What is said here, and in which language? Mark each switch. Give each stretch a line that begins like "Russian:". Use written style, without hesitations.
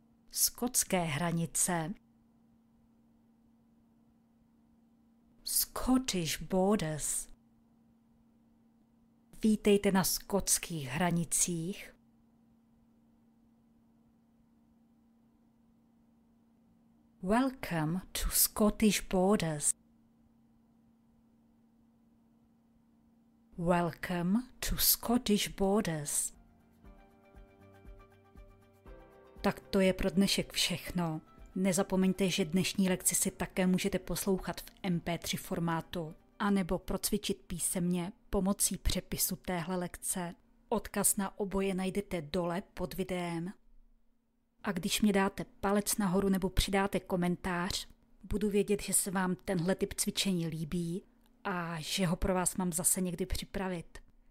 Czech: Skotské hranice.
English: Scottish borders.
Czech: Vítejte na skotských hranicích.
English: Welcome to Scottish borders. Welcome to Scottish borders.
Czech: Tak to je pro dnešek všechno. Nezapomeňte, že dnešní lekci si také můžete poslouchat v MP3 formátu anebo procvičit písemně pomocí přepisu téhle lekce. Odkaz na oboje najdete dole pod videem. A když mě dáte palec nahoru nebo přidáte komentář, budu vědět, že se vám tenhle typ cvičení líbí a že ho pro vás mám zase někdy připravit.